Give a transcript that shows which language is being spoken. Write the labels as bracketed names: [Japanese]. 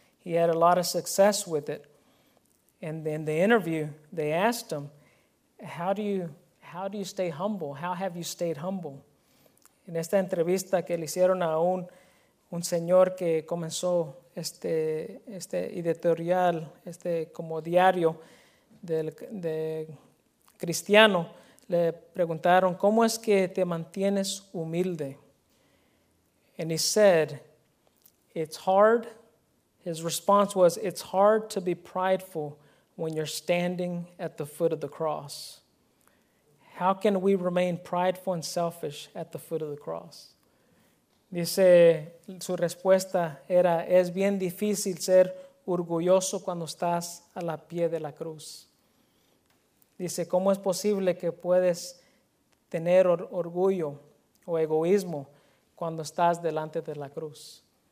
[English] He had a lot of success with it. And in the interview, they asked him, how do you stay humble? How have you stayed humble? [Spanish] En esta entrevista que le hicieron a un señor que comenzó este editorial, este como diario de cristiano, le preguntaron, ¿cómo es que te mantienes humilde? [English] And he said, it's hard. His response was, it's hard to be prideful when you're standing at the foot of the cross. How can we remain prideful and selfish at the foot of the cross? [Spanish] Dice, su respuesta era, es bien difícil ser orgulloso cuando estás a la pie de la cruz. Dice, ¿cómo es posible que puedes tener orgullo o egoísmo cuando estás delante de la cruz?